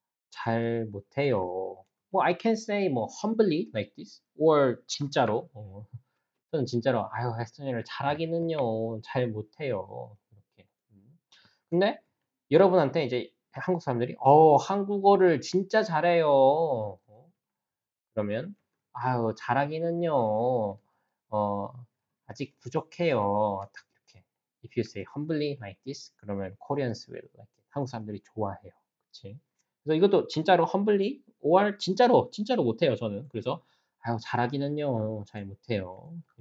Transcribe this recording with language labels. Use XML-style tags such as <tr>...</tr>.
<ko>잘 못해요. 뭐</ko> <en>I can say</en> <ko>뭐</ko> <en>humbly like this or</en> <ko>진짜로 저는 진짜로 아유, 에스토니아어를 잘하기는요. 잘 못해요. 근데 여러분한테 이제 한국 사람들이 한국어를 진짜 잘해요. 그러면 아유 잘하기는요. 아직 부족해요. 딱 이렇게.</ko> <en>If you say humbly like this,</en> <ko>그러면</ko> <en>Koreans will like it.</en> <ko>한국 사람들이 좋아해요. 그렇지? 그래서 이것도 진짜로</ko> <en>humbly or</en> <ko>진짜로 못해요, 저는. 그래서 아유 잘하기는요. 잘 못해요.</ko>